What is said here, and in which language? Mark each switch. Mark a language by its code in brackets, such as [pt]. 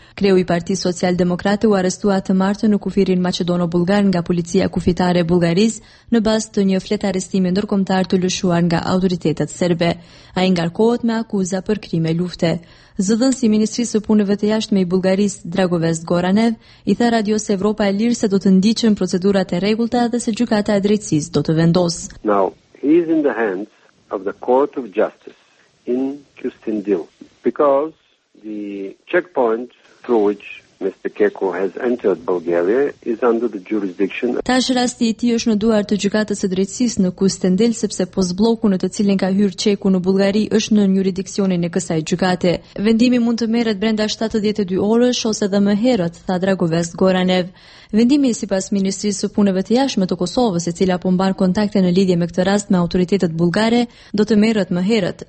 [sq] Kreu i Partisë Social-Demokrate u arrestua të martën në kufirin maqedono-bullgar nga policia kufitare e Bullgarisë në bazë të një flet arrestimi ndërkombëtar të lëshuar nga autoritetet serbe. Ai ngarkohet me akuza për krime lufte. Zëdhënës i Ministrisë së Punëve të Jashtme i Bullgarisë, Dragovest Goranev, i tha Radios Evropa e Lirë se do të ndiqen procedurat e rregullta dhe se gjykata e drejtësisë do të vendosë. [en] Now, he is in the hands of the Court of Justice in Qustendil because the checkpoint through which Mr. Keko has entered Bulgaria is under the jurisdiction. [sq] Tash rasti i tij është në duar të gjykatës së drejtësisë në Qustendil sepse postbloku në të cilin ka hyrë Çeku në Bullgari është në jurisdiksionin e kësaj gjykate. Vendimi mund të merret brenda 72 orësh ose edhe më herët, tha Dragovest Goranev. Vendimi sipas Ministrisë së Punëve të Jashtme të Kosovës, e cila po mban kontakte në lidhje me këtë rast me autoritetet bullgare, do të merret më herët.